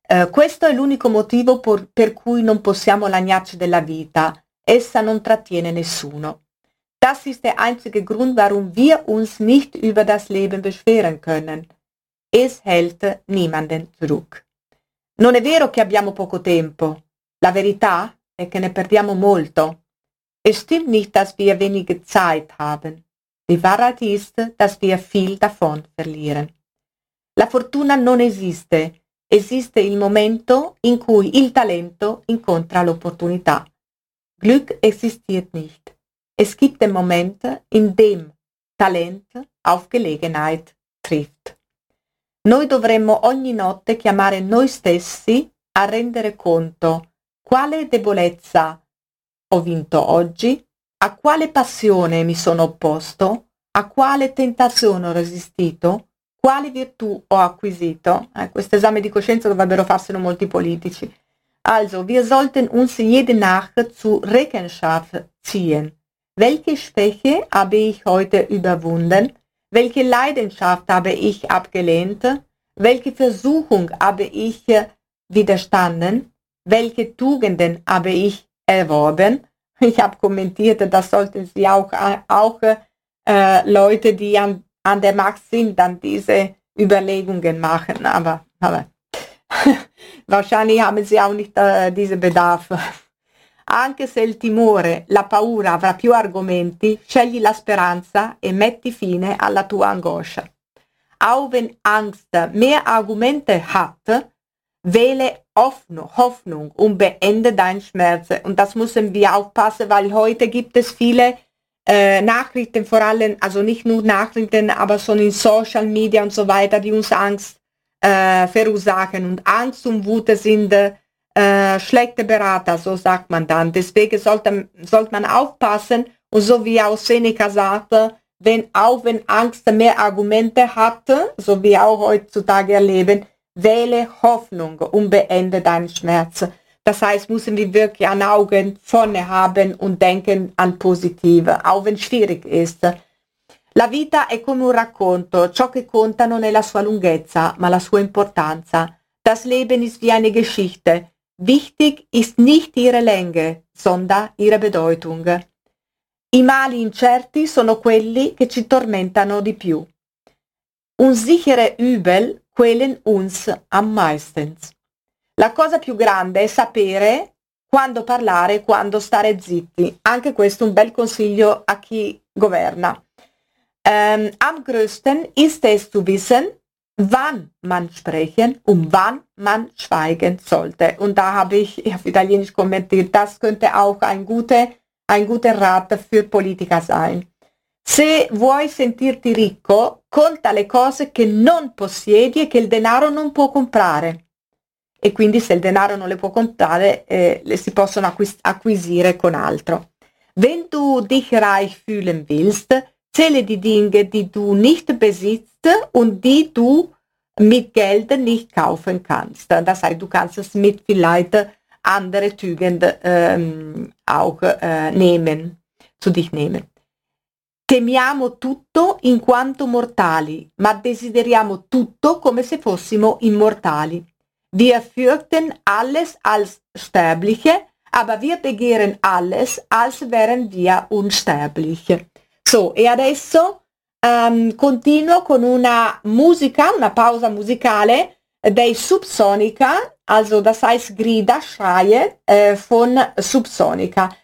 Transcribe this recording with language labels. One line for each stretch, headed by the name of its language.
Italian: Questo è l'unico motivo per cui non possiamo lagnarci della vita. Essa non trattiene nessuno.
German: Das ist der einzige Grund, warum wir uns nicht über das Leben beschweren können. Es hält niemanden zurück.
Italian: Non è vero che abbiamo poco tempo. La verità è che ne perdiamo molto.
German: Es stimmt nicht, dass wir wenige Zeit haben. Die Wahrheit ist, dass wir viel davon verlieren.
Italian: La fortuna non esiste. Esiste il momento in cui il talento incontra l'opportunità.
German: Glück existiert nicht. Es gibt den Moment, in dem Talent auf Gelegenheit trifft.
Italian: Noi dovremmo ogni notte chiamare noi stessi a rendere conto quale debolezza ho vinto oggi, a quale passione mi sono opposto, a quale tentazione ho resistito, quale virtù ho acquisito. Questo esame di coscienza dovrebbero farselo molti politici.
German: Also, wir sollten uns jede Nacht zur Rechenschaft ziehen. Welche Schwäche habe ich heute überwunden? Welche Leidenschaft habe ich abgelehnt? Welche Versuchung habe ich widerstanden? Welche Tugenden habe ich erworben? Ich habe kommentiert, das sollten Sie auch Leute, die an der Macht sind, dann diese Überlegungen machen. Aber Wahrscheinlich haben Sie auch nicht diese Bedarf.
Italian: Anche se il timore, la paura avrà più argomenti, scegli la speranza e metti fine alla tua angoscia.
German: Auch wenn Angst mehr Argumente hat, wähle Hoffnung und beende deinen Schmerz. Und das müssen wir aufpassen, weil heute gibt es viele Nachrichten, vor allem, also nicht nur Nachrichten, aber so in Social Media und so weiter, die uns Angst verursachen. Und Angst und Wut sind schlechte Berater, so sagt man dann. Deswegen sollte man aufpassen und so wie auch Seneca sagte, wenn Angst mehr Argumente hat, so wie auch heutzutage erleben, wähle Hoffnung und beende deinen Schmerz. Das heißt, müssen wir wirklich an Augen vorne haben und denken an Positive, auch wenn es schwierig ist.
Italian: La vita è come un racconto. Ciò che conta non è la sua lunghezza, ma la sua importanza.
German: Das Leben ist wie eine Geschichte. Wichtig ist nicht ihre Länge, sondern ihre Bedeutung.
Italian: I mali incerti sono quelli che ci tormentano di più.
German: Unsichere Übel quälen uns am meisten.
Italian: La cosa più grande è sapere quando parlare e quando stare zitti. Anche questo un bel consiglio a chi governa.
German: Am größten ist es zu wissen, wann man sprechen und wann man schweigen sollte. Und da habe ich auf Italienisch kommentiert, das könnte auch ein guter Rat für Politiker sein.
Italian: Se vuoi sentirti ricco, conta le cose che non possiedi e che il denaro non può comprare. E quindi se il denaro non le può comprare, le si possono acquisire con altro.
German: Wenn du dich reich fühlen willst, zähle die Dinge, die du nicht besitzt und die du mit Geld nicht kaufen kannst. Das heißt, du kannst es mit vielleicht andere Tugend auch nehmen, zu dich nehmen.
Italian: Temiamo tutto in quanto mortali, ma desideriamo tutto come se fossimo immortali.
German: Wir fürchten alles als Sterbliche, aber wir begehren alles, als wären wir unsterbliche.
Italian: So, e adesso continuo con una pausa musicale dei Subsonica,
German: also das heißt
Italian: Grida,
German: Schreie
Italian: von Subsonica.